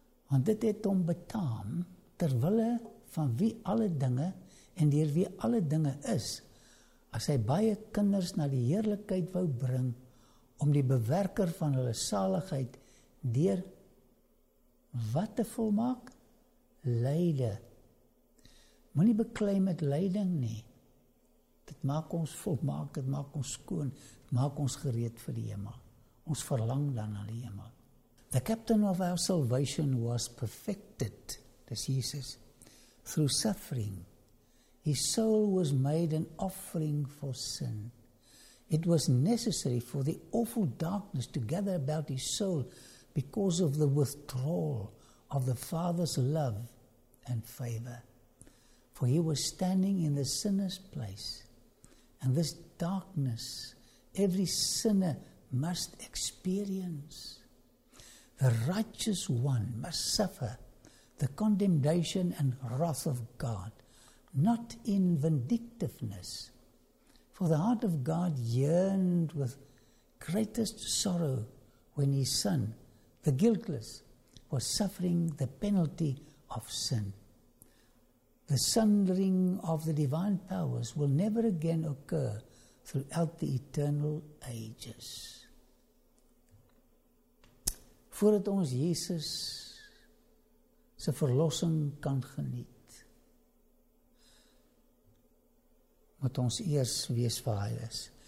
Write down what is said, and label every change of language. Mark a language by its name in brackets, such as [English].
[Afrikaans] Want dit het hom betaam, terwille van wie alle dinge en deur wie alle dinge is, as hy baie kinders na die heerlikheid wou bring, om die bewerker van hulle saligheid deur wat te volmaak? Lyde. Moet nie beklei met lyding nie. Dit maak ons volmaak, dit maak ons skoon, maak ons gereed vir die hemel. Ons verlang dan na die hemel. [English] The captain of our salvation was perfected, [Afrikaans] dis Jesus, [English] through suffering. His soul was made an offering for sin. It was necessary for the awful darkness to gather about his soul because of the withdrawal of the Father's love and favor. For he was standing in the sinner's place. And this darkness every sinner must experience. The righteous one must suffer the condemnation and wrath of God, not in vindictiveness. For the heart of God yearned with greatest sorrow when his son, the guiltless, was suffering the penalty of sin. The sundering of the divine powers will never again occur throughout the eternal ages. [Afrikaans] Voordat ons Jesus se verlossing kan geniet, moet ons eers weet waar hy is.